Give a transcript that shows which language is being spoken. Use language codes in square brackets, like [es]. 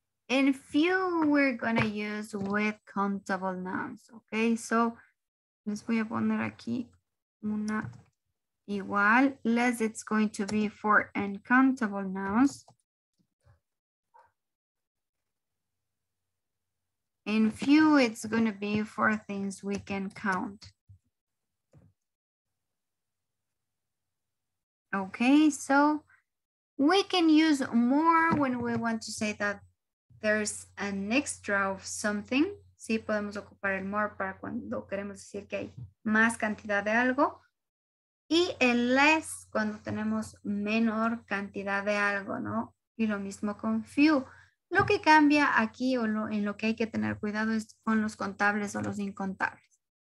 [en] And few we're gonna use with countable nouns. Okay, so [es] les voy a poner aquí una igual. [en] Less it's going to be for uncountable nouns. And few it's gonna be for things we can count. Okay, so we can use more when we want to say that there's an extra of something. [es] Sí, podemos ocupar el more para cuando queremos decir que hay más cantidad de algo. Y el less cuando tenemos menor cantidad de algo, ¿no? Y lo mismo con few. Lo que cambia aquí o en lo que hay que tener cuidado es con los contables o los incontables.